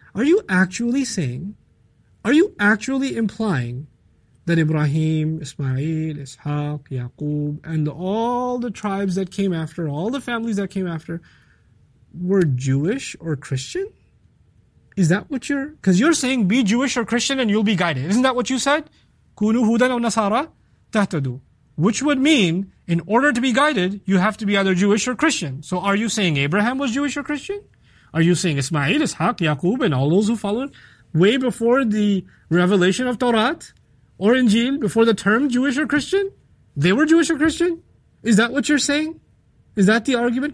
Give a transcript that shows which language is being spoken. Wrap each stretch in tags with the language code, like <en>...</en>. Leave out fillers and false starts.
<en>Are you actually saying, are you actually implying that Ibrahim, Ismail, Ishaq, Yaqub, and all the tribes that came after, all the families that came after, were Jewish or Christian? Is that what you're... Because you're saying, be Jewish or Christian and you'll be guided. Isn't that what you said?</en> <ar>كُونُوا هُودًا أَوْ نَصَارَى تَهْتَدُوا.</ar> <en>Which would mean, in order to be guided, you have to be either Jewish or Christian. So are you saying Abraham was Jewish or Christian? Are you saying Ismail, Ishaq, Yaqub, and all those who followed way before the revelation of Torah or Injil, before the term Jewish or Christian? They were Jewish or Christian? Is that what you're saying? Is that the argument?</en>